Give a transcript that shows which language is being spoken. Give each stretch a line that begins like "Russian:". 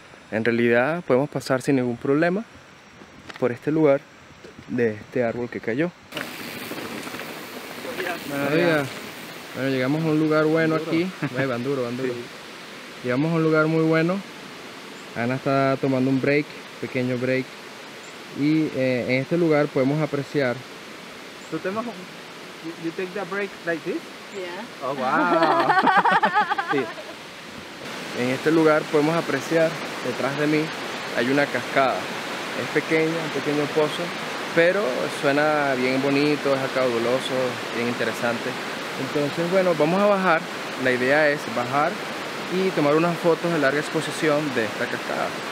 Spanish: En realidad podemos pasar sin ningún problema por este lugar de este árbol que cayó. Bueno, llegamos a un lugar bueno aquí. Van duro, van duro. Llegamos a un lugar muy bueno. Ana está tomando un break, pequeño break. Y en este lugar podemos apreciar.
English: So, you take the break like this? Yeah. Oh, wow.
Spanish: Sí. En este lugar podemos apreciar, detrás de mí, hay una cascada. Es pequeña, un pequeño pozo, pero suena bien bonito, es acauduloso, bien interesante. Entonces, bueno, vamos a bajar. La idea es bajar y tomar unas fotos de larga exposición de esta cascada.